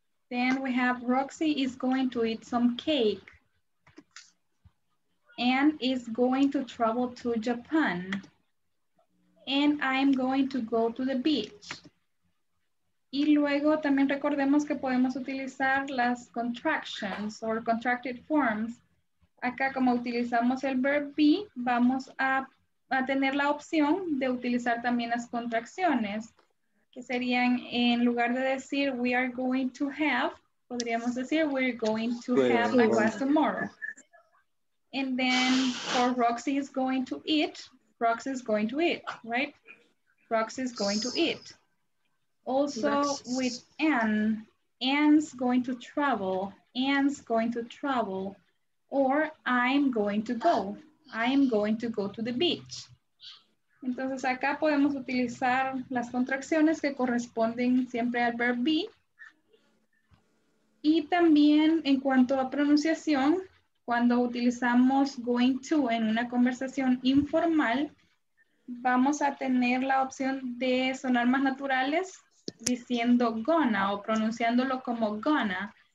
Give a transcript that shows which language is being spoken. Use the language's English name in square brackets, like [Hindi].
[English] Then we have Roxy is going to eat some cake. Anne is going to travel to Japan. And I'm going to go to the beach. [Spanish] Y luego también recordemos que podemos utilizar las [English] contractions or contracted forms. [Spanish] Acá como utilizamos el verb be, vamos a tener la opción de utilizar también las contracciones, que serían en lugar de decir [English] we are going to have, [Spanish] podríamos decir [English] we're going to have a class tomorrow. And then for Roxy is going to eat, Roxy is going to eat, right? Roxy is going to eat. Also with Anne, Anne's going to travel, Anne's going to travel. Or I'm going to go to the beach. [Spanish] Entonces acá podemos utilizar las contracciones que corresponden siempre al verb be. Y también en cuanto a pronunciación, cuando utilizamos going to en una conversación informal, vamos a tener la opción de sonar más naturales diciendo gonna o pronunciándolo como gonna.